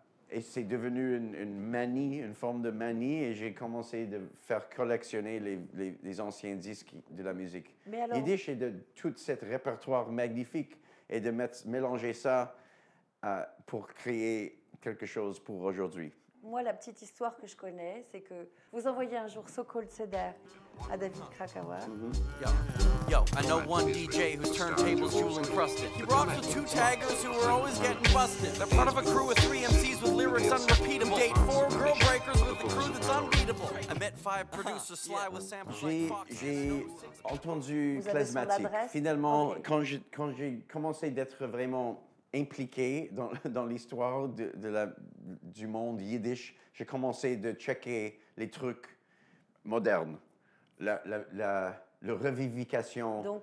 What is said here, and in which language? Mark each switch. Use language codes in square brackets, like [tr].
[fr] Et c'est devenu une manie, une forme de manie, et j'ai commencé de faire collectionner les anciens disques de la musique. Mais alors... L'idée, c'est de tout ce répertoire magnifique et de mélanger ça pour créer quelque chose pour aujourd'hui. Moi, la petite histoire que je connais, c'est que vous envoyez un jour Sokol Tseder à David Krakauer. Mm-hmm. [en] Yo, I know one DJ who turned tables jewel encrusted. He brought the two taggers who were always getting busted. They're part of a crew of three MCs with lyrics unrepeatable. Date four girl breakers with a crew that's unbeatable. I met five producers sly with samples like Fox. [fr] J'ai entendu Klezmatic. Finalement, quand j'ai commencé d'être vraiment impliqué dans l'histoire du monde yiddish, j'ai commencé de checker les trucs modernes, la revivification du